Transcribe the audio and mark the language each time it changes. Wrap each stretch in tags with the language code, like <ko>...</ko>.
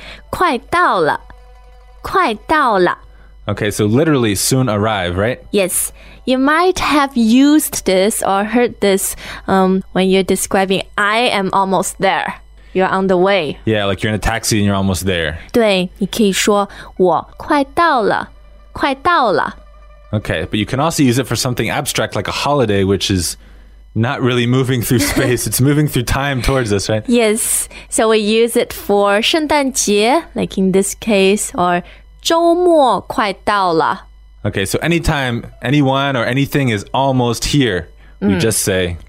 <zh>快到了,快到了。</zh> <en>Okay, so literally soon arrive, right? Yes, you might have used this or heard this when you're describing, I am almost there, you're on the way. Yeah, like you're in a taxi and you're almost there.</en> <zh>对,你可以说,我快到了,快到了。</zh> <en>Okay, but you can also use it for something abstract like a holiday, which is... Not really moving through space, it's moving through time towards us, right? Yes, so we use it for 圣诞节, like in this case, or</en> <zh>周末快到了。</zh> <en>Okay, so anytime anyone or anything is almost here, we just say</en>